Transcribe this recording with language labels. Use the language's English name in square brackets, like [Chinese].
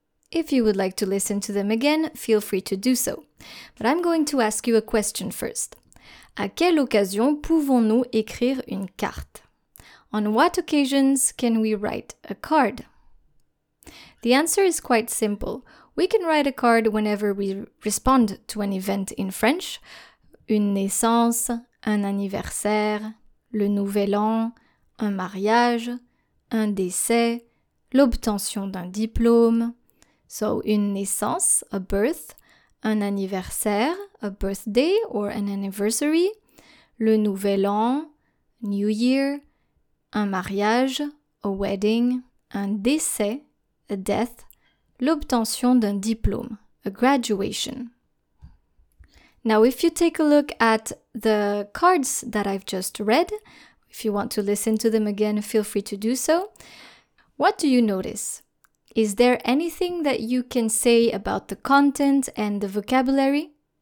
[English] If you would like to listen to them again, feel free to do so. But I'm going to ask you a question first. [French] À quelle occasion pouvons-nous écrire une carte? [English] On what occasions can we write a card? The answer is quite simple. We can write a card whenever we respond to an event in French. [French] Une naissance, un anniversaire, le nouvel an, un mariage, un décès, l'obtention d'un diplôme. [English] So, [French] une naissance, [English] a birth, [French] un anniversaire, [English] a birthday or an anniversary, [French] le nouvel an, [English] new year, [French] un mariage, [English] a wedding, [French] un décès, [English] a death, [French] l'obtention d'un diplôme, [English] a graduation. Now, if you take a look at the cards that I've just read, if you want to listen to them again, feel free to do so. What do you notice? Is there anything that you can say about the content and the vocabulary?